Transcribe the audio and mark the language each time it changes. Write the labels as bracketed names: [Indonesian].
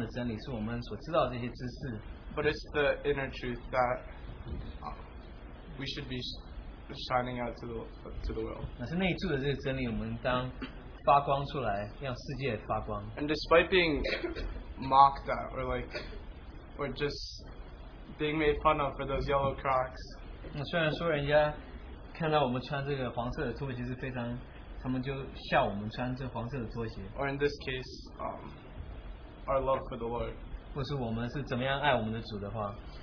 [Chinese] 不是外在的真理，或是这些客观的真理，是我们所知道的这些知识。 [English] But it's the inner truth that we should be shining out to the world. [Chinese] 那是内住的这个真理，我们当发光出来，让世界发光。 [English] And despite being mocked at, or like, or just being made fun of for those yellow Crocs. [Chinese] 那虽然说人家看到我们穿这个黄色的拖鞋是非常。 [English] Or in this case, our love for the Lord. [Chinese] 或是我们是怎么样爱我们的主的话,